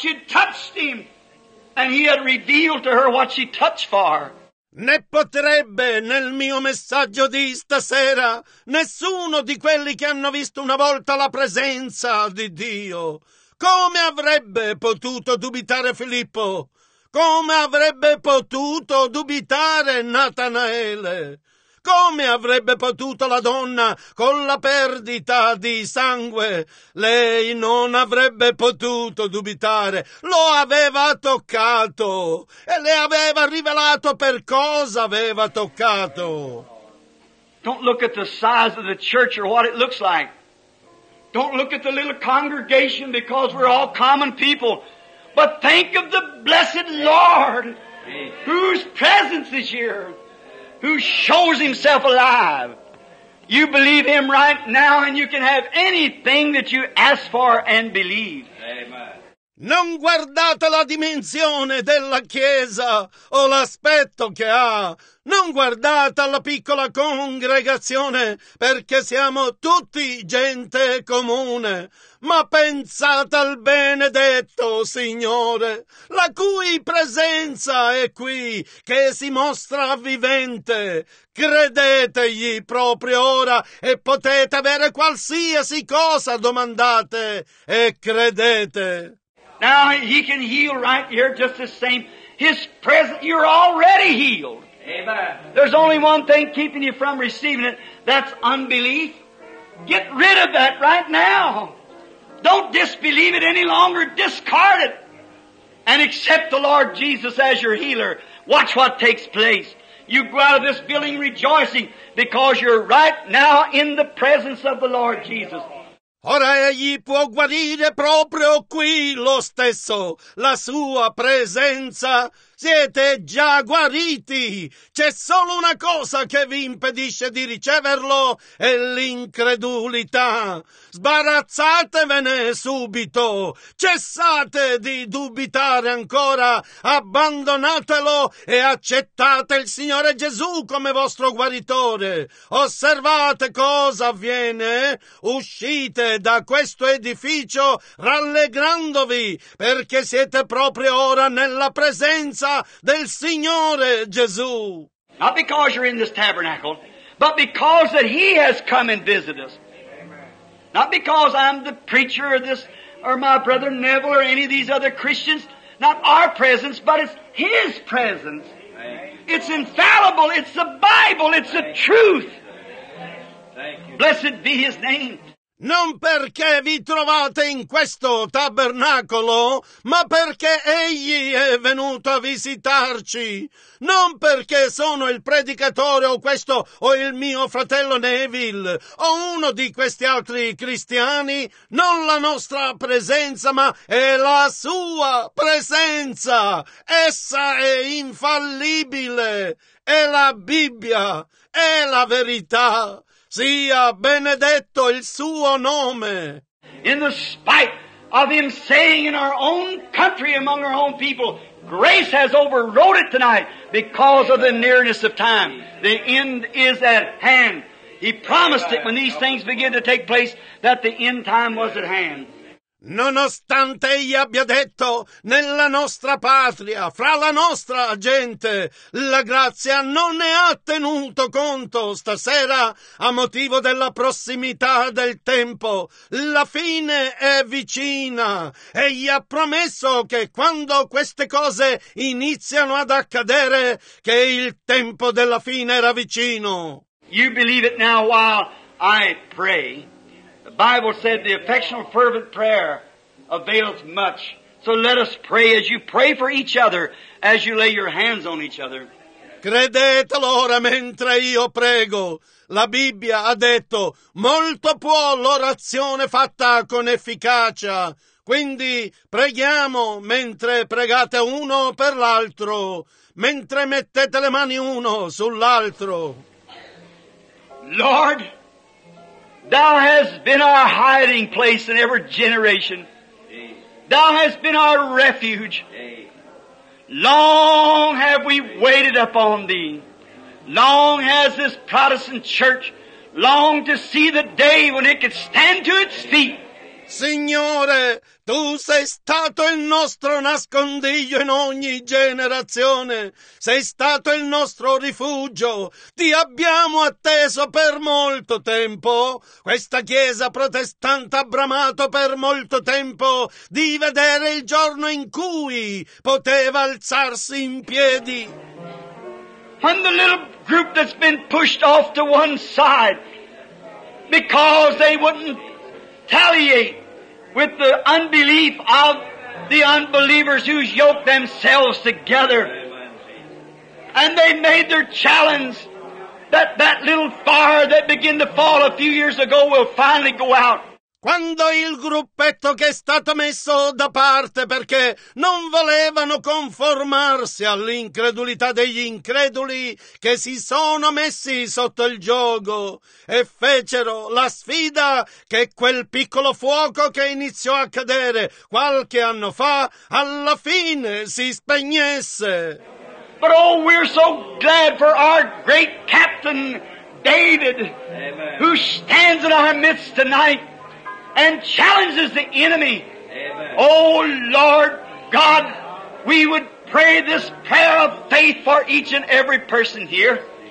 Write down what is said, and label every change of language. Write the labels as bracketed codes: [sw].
[en] She touched him, and he had revealed to her what she touched for. [it] Ne potrebbe nel mio messaggio di stasera nessuno di quelli che hanno visto una volta la presenza di Dio. Come avrebbe potuto dubitare Filippo? Come avrebbe potuto dubitare Natanaele? Come avrebbe potuto la donna con la perdita di sangue? Lei non avrebbe potuto dubitare. Lo aveva toccato e le aveva rivelato per cosa aveva toccato. [en] Don't look at the size of the church or what it looks like. Don't look at the little congregation because we're all common people. But think of the blessed Lord whose presence is here, who shows himself alive. You believe him right now and you can have anything that you ask for and believe. Amen. [it] Non guardate la dimensione della chiesa o l'aspetto che ha. Non guardate alla piccola congregazione perché siamo tutti gente comune. Ma pensate al benedetto Signore, la cui presenza è qui, che si mostra vivente. Credetegli proprio ora e potete avere qualsiasi cosa domandate e credete. [en] Now he can heal right here just the same. His presence, you're already healed. Amen. There's only one thing keeping you from receiving it, that's unbelief. Get rid of that right now. Don't disbelieve it any longer. Discard it. And accept the Lord Jesus as your healer. Watch what takes place. You go out of this building rejoicing because you're right now in the presence of the Lord Jesus. [it] Ora egli può guarire proprio qui lo stesso. La sua presenza. Siete già guariti. C'è solo una cosa che vi impedisce di riceverlo, è l'incredulità. Sbarazzatevene subito. Cessate di dubitare ancora. Abbandonatelo e accettate il Signore Gesù come vostro guaritore. Osservate cosa avviene. Uscite da questo edificio rallegrandovi, perché siete proprio ora nella presenza del Signore Gesù. [en] Not because you're in this tabernacle, but because that he has come and visited us. Amen. Not because I'm the preacher or this or my brother Neville or any of these other Christians. Not our presence, but it's his presence. Amen. It's infallible. It's the Bible. It's Thank the truth. Thank you. Blessed be his name. [it] Non perché vi trovate in questo tabernacolo, ma perché egli è venuto a visitarci. Non perché sono il predicatore o questo o il mio fratello Neville o uno di questi altri cristiani. Non la nostra presenza, ma è la sua presenza. Essa è infallibile. È la Bibbia. È la verità. Sia benedetto il suo nome. [en] In the spite of him saying in our own country among our own people, grace has overrode it tonight because of the nearness of time. The end is at hand. He promised it when these things begin to take place that the end time was at hand. [it] Nonostante egli abbia detto, nella nostra patria, fra la nostra gente, la grazia non ne ha tenuto conto stasera a motivo della prossimità del tempo. La fine è vicina. Egli ha promesso che quando queste cose iniziano ad accadere, che il tempo della fine era vicino. [en] You believe it now while I pray. The Bible said the affectionate fervent prayer availeth much. So let us pray as you pray for each other, as you lay your hands on each other. [it] Credetelo ora mentre io prego. La Bibbia ha detto, molto può l'orazione fatta con efficacia. Quindi preghiamo mentre pregate uno per l'altro, mentre mettete le mani uno sull'altro. [en] Lord, Thou hast been our hiding place in every generation. Thou hast been our refuge. Long have we waited upon Thee. Long has this Protestant church longed to see the day when it could stand to its feet. [it] Signore, Tu sei stato il nostro nascondiglio in ogni generazione, sei stato il nostro rifugio, ti abbiamo atteso per molto tempo. Questa chiesa protestante ha bramato per molto tempo di vedere il giorno in cui poteva alzarsi in piedi. [en] And the little group that's been pushed off to one side because they wouldn't retaliate with the unbelief of the unbelievers who's yoked themselves together. And they made their challenge that that little fire that began to fall a few years ago will finally go out. [it] Quando il gruppetto che è stato messo da parte perché non volevano conformarsi all'incredulità degli increduli che si sono messi sotto il giogo e fecero la sfida che quel piccolo fuoco che iniziò a cadere qualche anno fa alla fine si spegnesse. [en] But oh, we're so glad for our great captain David. Amen. Who stands in our midst tonight and challenges the enemy. Amen. Oh Lord God, we would pray this prayer of faith for each and every person here.